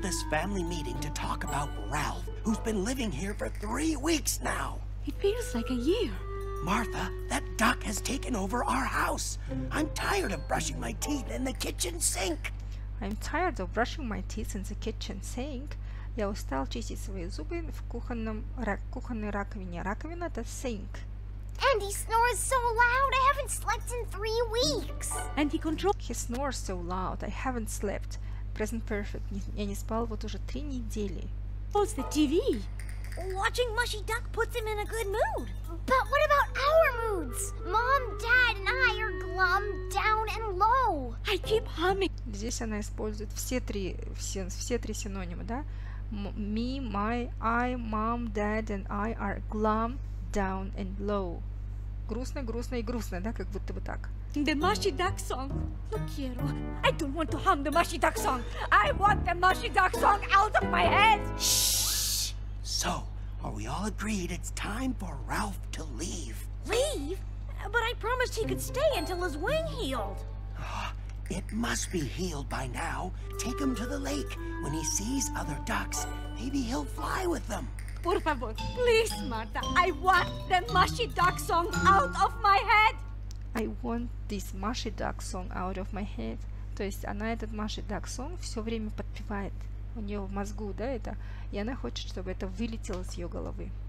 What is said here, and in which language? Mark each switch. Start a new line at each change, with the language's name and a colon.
English: Family meeting to talk about Ralph, who's been living here for 3 weeks now. It feels like a year. Martha, that duck has taken over our house. I'm tired of brushing my teeth in the kitchen sink. I'm tired of brushing my teeth in the kitchen sink.
Russian: Я устал чистить свои зубы в кухонной раковине. Раковина – это sink.
English: And he snores so loud, I haven't slept in 3 weeks. And he controls... He snores so loud, I haven't slept. Present perfect.
Russian: Я не спал вот уже 3 недели.
English: What's the TV? Watching Mushy Duck puts him in a good mood. But what about our moods? Mom, Dad, and I are glum, down, and low. I keep humming.
Russian: Здесь она использует все три синонима, да?
English: Me, my, I, mom, dad, and I are glum, down, and low.
Russian: Грустно, грустно и грустно, да? Как будто бы так.
English: The Mushy Duck song. Look, Hiro, I don't want to hum the Mushy Duck song. I want the Mushy Duck song out of my head. Shh. So, are we all agreed it's time for Ralph to leave? Leave? But I promised he could stay until his wing healed. It must be healed by now. Take him to the lake. When he sees other ducks, maybe he'll fly with them.
Spanish: Por favor,
English: please, Marta. I want the Mushy Duck song out of my head. I want this Mushy Duck song out of my head.
Russian: То есть она этот Mushy Duck song все время подпевает. У нее в мозгу, да, это. И она хочет, чтобы это вылетело с ее головы.